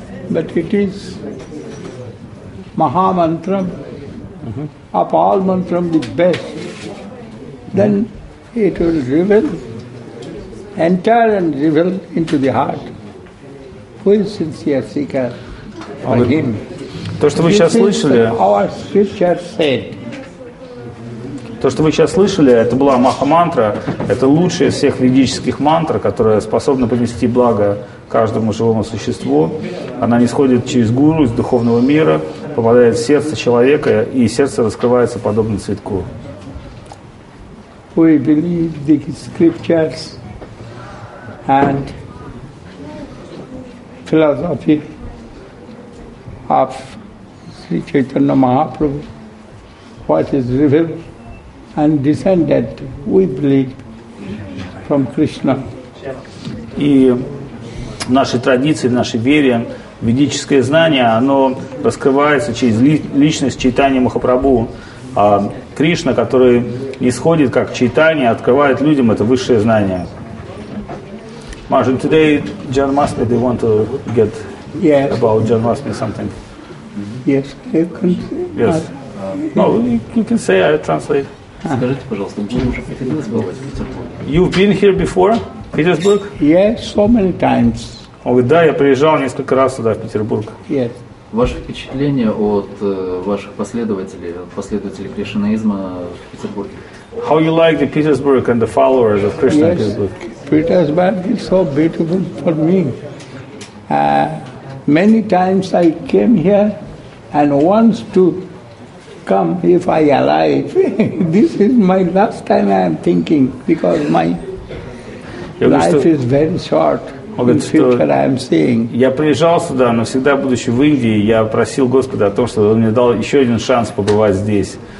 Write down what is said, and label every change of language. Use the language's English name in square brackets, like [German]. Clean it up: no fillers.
[English] but it is Mahamantram, of all mantram, the best. Then it will reveal, enter and reveal into the heart. Who is sincere seeker for him? [Russian] То, что вы сейчас слышали, это была Маха-мантра, это лучшая из всех ведических мантр, которая способна принести благо каждому живому существу. Она нисходит через гуру из духовного мира, попадает в сердце человека, и сердце раскрывается подобно цветку. [English] We believe the scriptures and philosophy of Sri Chaitanya Mahaprabhu, what is revealed and descended, we believe, from Krishna. [Russian] И в нашей традиции, в нашей вере, ведическое знание, оно раскрывается через личность Чайтаньи Махапрабху. А Кришна, который исходит как Чайтанья, открывает людям это высшее знание. [English] Маржин, today Janmasthmi, they want to get about Janmasthmi something. Yes, you can say. Yes. No, you can say, I translate. [Russian] Скажите, пожалуйста, мы уже приходилось бывать в Петербурге. [English] You've been here before, Petersburg? Yes, so many times. [Russian] Он говорит, да, я приезжал несколько раз сюда, в Петербург. [English] Yes. [Russian] Ваши впечатления от ваших последователей кришнаизма в Петербурге? [English] How you like the Petersburg and the followers of Krishna in Petersburg? Petersburg is so beautiful for me. Many times I came here and once to come if I alive. This is my last time I am thinking because my life is very short. [Russian] Он говорит, что я приезжал сюда, но всегда будучи в Индии, я просил Господа о том, чтобы он мне дал еще один шанс побывать здесь.